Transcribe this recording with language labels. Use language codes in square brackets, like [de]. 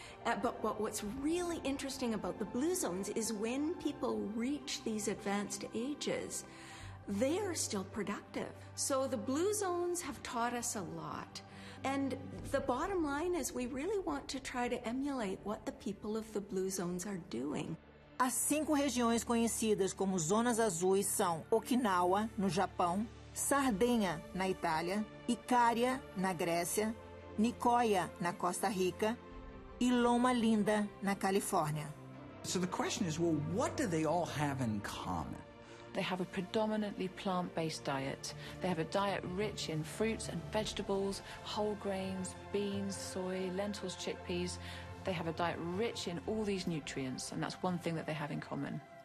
[en] But what's really interesting about the blue zones is when people reach these advanced ages, they are still productive. So the blue zones have taught us a lot. And the bottom line is we really want to try to emulate what the people of the blue zones are doing. [pt] As cinco regiões conhecidas como zonas azuis são Okinawa, no Japão, Sardenha, na Itália, Icária, na Grécia, Nicoya, na Costa Rica, e Loma Linda, na Califórnia. [en] So the question is, well, what do they all have in common? They have a predominantly plant-based diet. They have a diet rich in fruits and vegetables, whole grains, beans, soy, lentils, chickpeas. They have a diet rich in all these nutrients, and that's one thing that they have in common.